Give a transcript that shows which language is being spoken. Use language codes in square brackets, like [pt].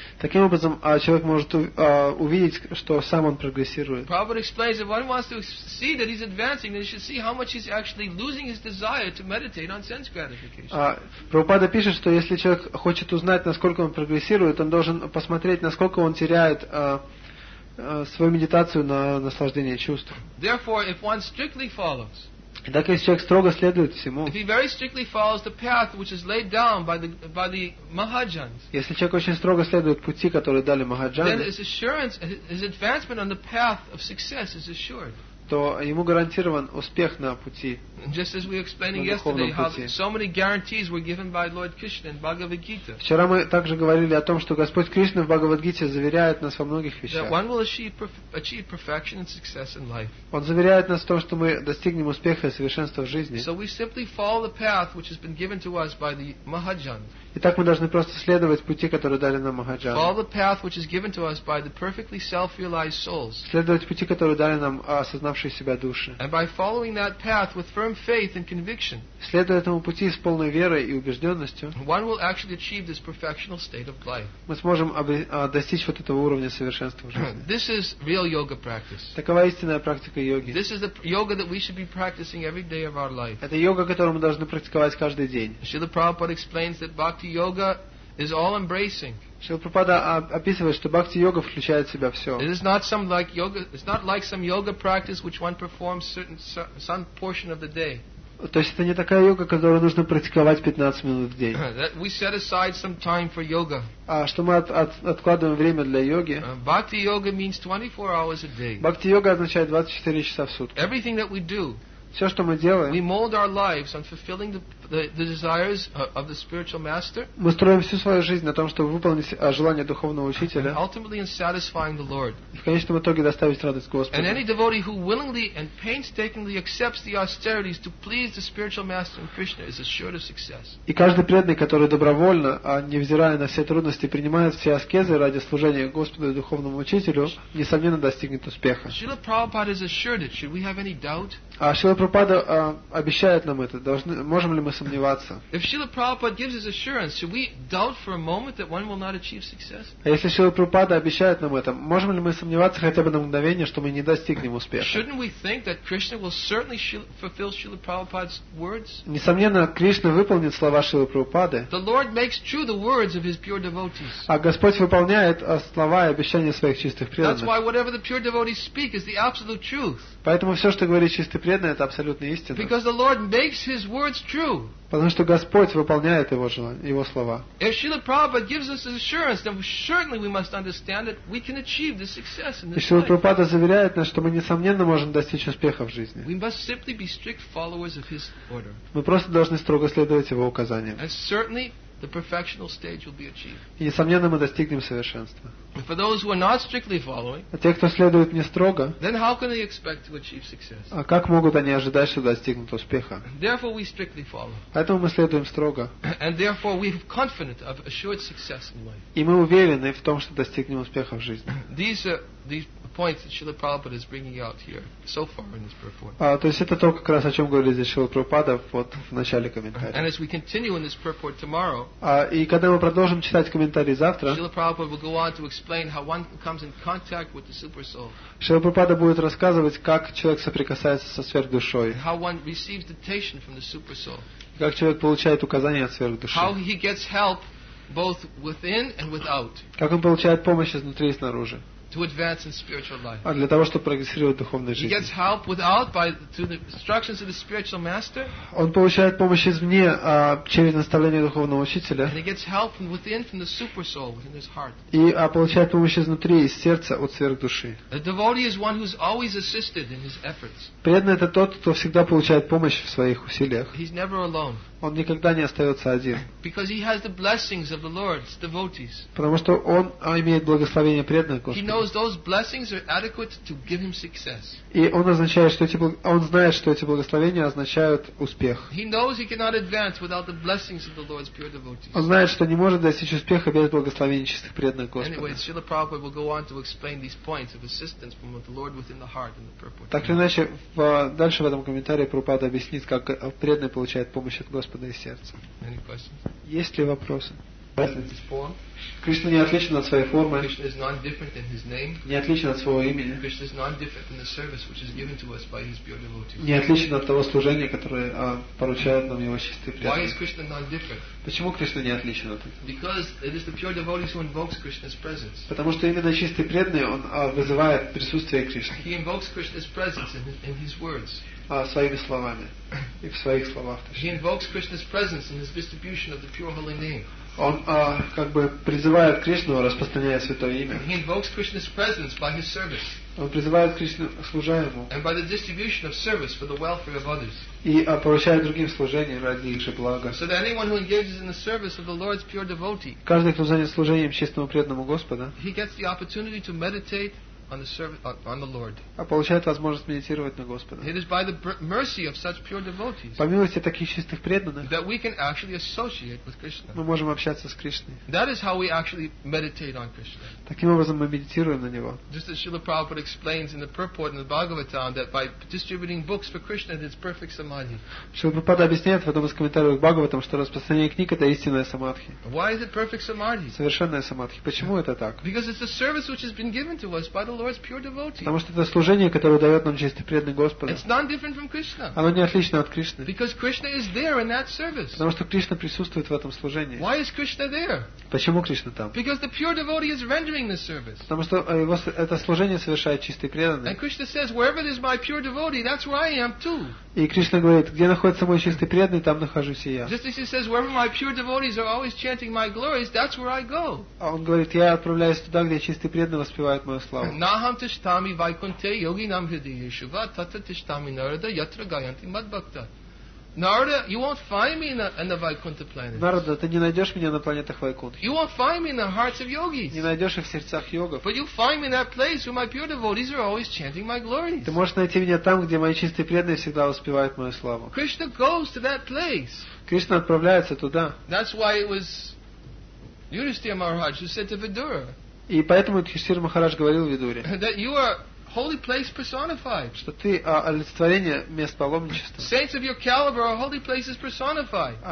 [ru] Таким образом, человек может увидеть, что сам он прогрессирует. [en] Prabhupada explains that one wants to see that he's advancing, then he should see how much he's actually losing his desire to meditate on sense gratification. [ru] Прабхупада пишет, что если человек хочет узнать, насколько он прогрессирует, он должен посмотреть, насколько он теряет свою медитацию на наслаждение чувств. [en] Therefore, if one strictly follows, [ru] так если человек строго следует всему, [en] if he very strictly follows the path which is laid down by the Mahajans, [ru] если человек очень строго следует пути, которые дали Махаджаны, [en] then his assurance, his advancement on the path of success is assured. [ru] То ему гарантирован успех на пути. [en] Just as we were explaining yesterday, how so many guarantees were given by Lord Krishna in Bhagavad Gita. [ru] Вчера мы также говорили о том, что Господь Кришна в Бхагавад-гите заверяет нас во многих вещах. [en] That one will achieve perfection and success in life. [ru] Он заверяет нас в том, что мы достигнем успеха и совершенства в жизни. [en] So we simply follow the path which has been given to us by the Mahajans. [ru] Итак, мы должны просто следовать пути, которые дали нам Махаджаны. [en] Follow the path which is given to us by the perfectly self-realized souls. [ru] Следовать пути, которые дали нам осознавшие себя души. [en] And by following that path with firm faith and conviction, [ru] следуя этому пути с полной верой и убежденностью, [en] one will actually achieve this perfectional state of life. [ru] Мы сможем достичь вот этого уровня совершенства в жизни. [en] This is real yoga practice. [ru] Такова истинная практика йоги. [en] This is the yoga that we should be practicing every day of our life. [ru] Это йога, которую мы должны практиковать каждый день. [en] Srila Prabhupada explains that Bhakti yoga is all embracing. [ru] Шрила Прабхупада описывает, что бхакти йога включает в себя все. [en] It is not some like yoga. It's not like some yoga practice which one performs certain some portion of the day. [ru] То есть это не такая йога, которую нужно практиковать 15 минут в день. [en] That we set aside some time for yoga. [ru] Что мы откладываем время для йоги. [en] Bhakti yoga means 24 hours a day. [ru] Бхакти йога означает 24 часа в сутки. [en] Everything that we do. [ru] Все, что мы делаем. [en] We mold our lives on fulfilling the desires of the spiritual master. [ru] Мы строим всю свою жизнь на том, чтобы выполнить желание духовного учителя. [en] Ultimately in satisfying the Lord. [ru] И в конечном итоге доставить радость Господу. [en] And any devotee who willingly and painstakingly accepts the austerities to please the spiritual master and Krishna is assured of success. [ru] И каждый преданный, который добровольно, а невзирая на все трудности, принимает все аскезы ради служения Господу и духовному учителю, несомненно достигнет успеха. [en] Srila Prabhupada is assured it. Should we have any doubt? [ru] Шрила Прабхупада обещает нам это. Можем ли мы сомневаться? [en] If Srila Prabhupada gives his assurance, should we doubt for a moment that one will not achieve success? [ru] Если Шрила Прабхупада обещает нам это, можем ли мы сомневаться хотя бы на мгновение, что мы не достигнем успеха? [en] Shouldn't we think that Krishna will certainly fulfill Srila Prabhupada's words? [ru] Несомненно, Кришна выполнит слова Шрилы Прабхупады. [en] The Lord makes true the words of his pure devotees. [ru] А Господь выполняет слова и обещания своих чистых преданных. [en] That's why whatever the pure devotees speak is the absolute truth. [ru] Поэтому все, что говорит чистый преданный, это абсолютная истина. [en] Because the Lord makes his words true. [ru] Потому что Господь выполняет его желание, его слова. [en] If Srila Prabhupada gives us assurance, then certainly we must understand that we can achieve the success in this life. [ru] Если Прабхупада заверяет нас, что мы несомненно можем достичь успеха в жизни. [en] We must simply be strict followers of his order. [ru] Мы просто должны строго следовать его указаниям. [en] And certainly the perfectional stage will be achieved. [ru] И несомненно мы достигнем совершенства. [en] For those who are not strictly following, [ru] а те, кто следует не строго, [en] then how can they expect to achieve success? [ru] А как могут они ожидать, что достигнут успеха? [en] Therefore, we strictly follow. [ru] Поэтому мы следуем строго. [en] And therefore, we are confident of assured success in life. [ru] И мы уверены в том, что достигнем успеха в жизни. [en] These points that Srila Prabhupada is bringing out here so far in this purport. [ru] То есть это то, как раз о чем говорили здесь Шрила Прабхупада вот в начале комментария. [en] And as we continue in this purport tomorrow, [ru] и когда мы продолжим читать комментарии завтра, [en] Srila Prabhupada will go on to explain how one comes in contact with the super soul. [ru] Шрила Прабхупада будет рассказывать, как человек соприкасается со сверхдушой. [en] How one receives dictation from the super soul. [ru] Как человек получает указания от сверхдуши. [en] How he gets help both within and without. [ru] Как он получает помощь изнутри и снаружи. [en] To advance in spiritual life. [ru] А для того, чтобы прогрессировать в духовной жизни. [en] He gets help without by through the instructions of the spiritual master. [ru] Он получает помощь извне, через наставление духовного учителя. [en] And he gets help from within, from the super soul, within his heart. [ru] И получает помощь изнутри, из сердца, от сверхдуши. [en] The devotee is one who is always assisted in his efforts. [ru] Преданный — это тот, кто всегда получает помощь в своих усилиях. [en] He's never alone. [ru] Он никогда не остается один. [en] Because he has the blessings of the Lord's devotees. [ru] Потому что он имеет благословение преданных Господа. [en] knows those blessings are adequate to give him success. [ru] И он означает, что эти, он знает, что эти благословения означают успех. [en] He knows he cannot advance without the blessings of the Lord's pure devotees. [ru] Он знает, что не может достичь успеха без благословений чистых преданных Господа. [en] Anyway, Srila Prabhupada will go on to explain these points of assistance from the Lord within the heart and the purport. [ru] Так или иначе, дальше в этом комментарии Прабхупада объяснит, как преданный получает помощь от Господа из сердца. [en] Any questions? [ru] Есть ли вопросы? Кришна не отличен от своей формы. [en] Krishna is not different than his name. [ru] Не отличен от своего имени. [en] Krishna is not different than the service which is given to us by his pure devotees. [ru] Не отличен от того служения, которое поручает нам его чистый преданный. [en] Why is Krishna not different? [ru] Почему Кришна не отличен от этого? [en] Because it is the pure devotees who invokes Krishna's presence. [ru] Потому что именно чистый преданный он вызывает присутствие Кришны. [en] He invokes Krishna's presence in his words. [ru] Своими словами и в своих словах. [en] He invokes Krishna's presence in his distribution of the pure holy name. [ru] Он как бы призывает Кришну, распространяя святое имя. [en] He invokes Krishna's presence by his service. [ru] Он призывает Кришну, служа ему. [en] And by the distribution of service for the welfare of others. [ru] И поручает другим служение ради их же блага. [en] So that anyone who engages in the service of the Lord's pure devotee. [ru] Каждый, кто занят служением чистому преданному Господа. [en] He gets the opportunity to meditate on the service on the Lord. [ru] А получает возможность медитировать на Господа. [en] It is by the mercy of such pure devotees. [ru] По милости таких чистых преданных. [en] That we can actually associate with Krishna. [ru] Мы можем общаться с Кришной. [en] That is how we actually meditate on Krishna. [ru] Таким образом мы медитируем на него. [en] Just as Srila Prabhupada explains in the purport in the Bhagavatam that by distributing books for Krishna it is perfect samadhi. [ru] Srila Prabhupada объясняет в одном из комментариев к Бхагаватам, что распространение книг это истинная самадхи. [en] Why is it perfect samadhi? [ru] Совершенная самадхи. Почему это так? [en] Because it's a service which has been given to us by the Lord's pure devotee. [ru] Потому что это служение, которое дает нам чистый преданный Господа. [en] It's not different from Krishna. [ru] Оно не отлично от Кришны. [en] Because Krishna is there in that service. [ru] Потому что Кришна присутствует в этом служении. [en] Why is Krishna there? [ru] Почему Кришна там? [en] Because the pure devotee is rendering this service. [ru] Потому что это служение совершает чистый преданный. [en] And Krishna says, wherever there's my pure devotee, that's where I am too. [ru] И Кришна говорит, где находится мой чистый преданный, там нахожусь и я. [en] Just as he says, wherever my pure devotees are always chanting my glories, that's where I go. [ru] А он говорит, я отправляюсь туда, где чистый преданный воспевает мою славу. [sa] Naham tishtami vaikunte yoginam hridayeshuva tatra tishtami narada yatra gayanti madbhakta. [en] Narada, you won't find me in the Vaikuntha planets. [ru] Narada, ты не найдешь меня на планетах Вайкунтхи. [en] You won't find me in the hearts of yogis. [ru] Не найдешь их в сердцах йогов. [en] But you'll find me in that place where my pure devotees are always chanting my glories. [ru] Ты можешь найти меня там, где мои чистые преданные всегда воспевают мою славу. [en] Krishna goes to that place. [ru] Кришна отправляется туда. [en] That's why it was Yudhisthira Maharaj who said to Vidura. [ru] И поэтому Юдхиштхира Махарадж говорил Видуре, [en] that you are holy place personified. [ru] Что ты олицетворение мест паломничества. [en] Saints of your caliber are holy places personified.